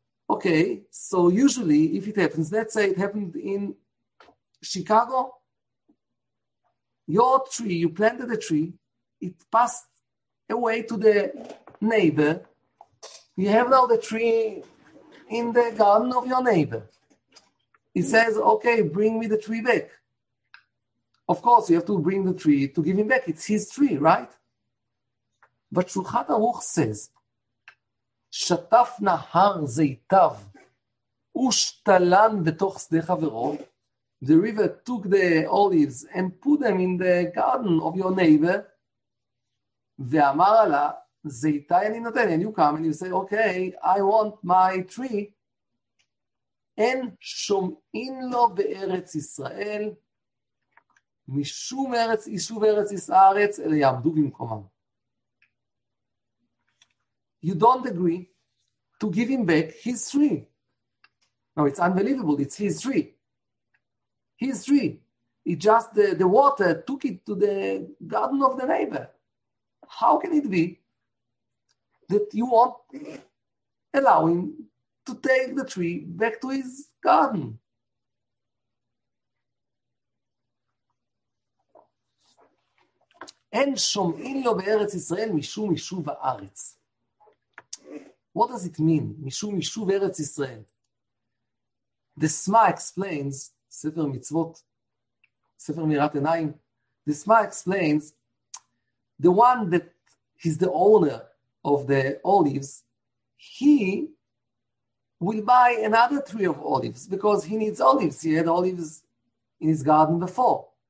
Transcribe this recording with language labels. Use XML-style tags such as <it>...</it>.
<en>Okay, so usually if it happens, let's say it happened in Chicago, your tree, you planted a tree, it passed away to the neighbor. You have now the tree in the garden of your neighbor. He says, okay, bring me the tree back. Of course, you have to bring the tree to give him back. It's his tree, right? But Shulchan Aruch says,</en> <he>שטף נהר זיתיו ושתלן בתוך שדה חברו.</he> <en>The river took the olives and put them in the garden of your neighbor.</en> <he>ואמר לה, זיתי אני נותן.</he> <en>And you come and you say, okay, I want my tree.</en> <he>אין שומעים לו בארץ ישראל, משום ארץ, יישוב ארץ ישארץ, אלה יעמדו במקומם.</he> <en>You don't agree to give him back his tree. Now it's unbelievable. It's his tree. His tree. It just, the water took it to the garden of the neighbor. How can it be that you won't allow him to take the tree back to his garden?</en> <he>אין שומעים לו בארץ ישראל משום יישוב הארץ.</he> <en>What does it mean?</en> <he>Mishum Yishuv Eretz Yisrael.</he> <en>The Sma explains, Sefer Mitzvot, Sefer Mirat Enayim, the Sma explains, the one that is the owner of the olives, he will buy another tree of olives because he needs olives. He had olives in his garden before.</en>